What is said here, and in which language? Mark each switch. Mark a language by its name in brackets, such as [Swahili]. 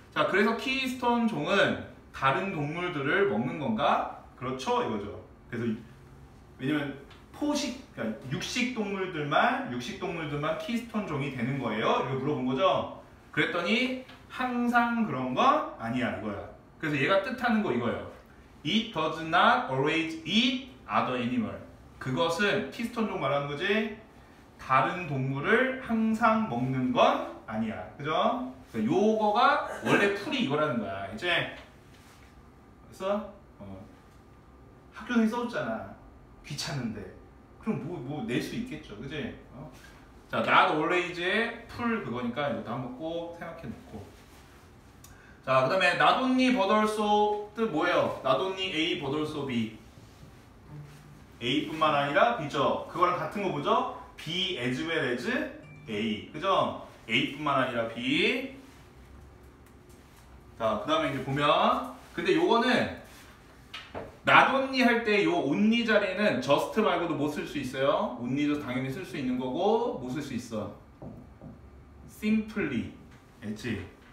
[Korean] 자, 그래서 키스톤 종은 다른 동물들을 먹는 건가? 그렇죠, 이거죠. 그래서 왜냐면 포식, 그러니까 육식 동물들만 키스톤 종이 되는 거예요, 이렇게 물어본 거죠. 그랬더니 항상 그런 건 아니야, 이거야. 그래서 얘가 뜻하는 거 이거예요. [English] It does not always eat other animal. [Korean] 그것은 키스톤 종 말하는 거지 다른 동물을 항상 먹는 건 아니야, 그죠? 요거가 원래 풀이 이거라는 거야, 이제 그래서 학교에서 써줬잖아. 귀찮은데 그럼 뭐 낼 수 있겠죠, 그지? 자, not always 풀 그거니까 이것도 한번 꼭 생각해 놓고. 자, 그 다음에 not only but also 뜻 뭐예요? not only A but also B. A뿐만 아니라 B죠. 그거랑 같은 거 보죠? [English] B as well as A, [Korean] 그죠? A뿐만 아니라 B. 자, 그 다음에 이제 보면, 근데 요거는 not only 할 때 요 only 자리에는 just 말고도 못 쓸 수 있어요. only도 당연히 쓸 수 있는 거고 못 쓸 수 있어. simply, 알지?